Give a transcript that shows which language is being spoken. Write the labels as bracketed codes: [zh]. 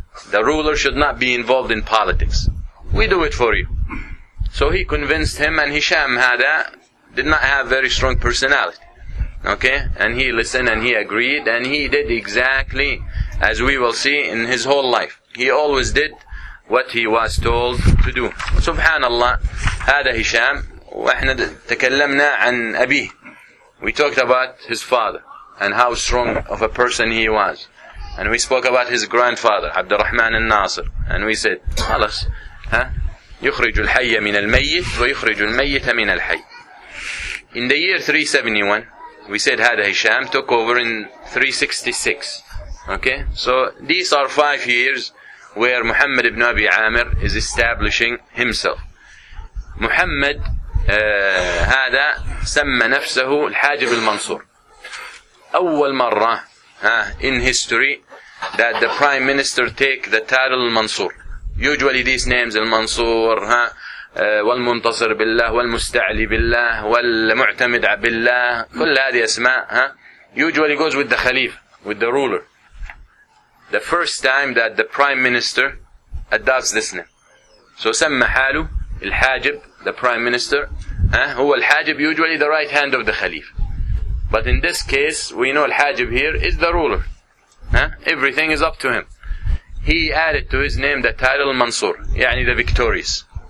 [en] The ruler should not be involved in politics. We do it for you. So he convinced him, and Hisham hada did not have very strong personality. Okay, and he listened and he agreed, and he did exactly as we will see in his whole life. He always did what he was told to do. [ar] Subhanallah, هذا هشام. وإحنا تكلمنا عن أبيه. [en] We talked about his father and how strong of a person he was, and we spoke about his grandfather عبد الرحمن الناصر, and we said [ar] خلاص يخرج الحي من الميت ويخرج الميت من الحي. [en] In the year 371, we said [ar] هذا هشام [en] took over in 366. Okay? So these are 5 years where Muhammad ibn Abi Amir is establishing himself. [ar] محمد هذا سمى نفسه الحاجب المنصور. أول مرة [en] in history that the prime minister take the title المنصور. Usually these names [ar] المنصور والمنتصر بالله والمستعلي بالله والمعتمد بالله كل هذه أسماء [en] usually goes with the [ar] خليفة [en] with the ruler. The first time that the prime minister adopts this name. So [ar] سمى حاله الحاجب [en] the prime minister [ar] هو الحاجب [en] usually the right hand of the خليفة. But in this case, we know Al-Hajib here is the ruler. Huh? Everything is up to him. He added to his name the title Mansur, يعني the victorious.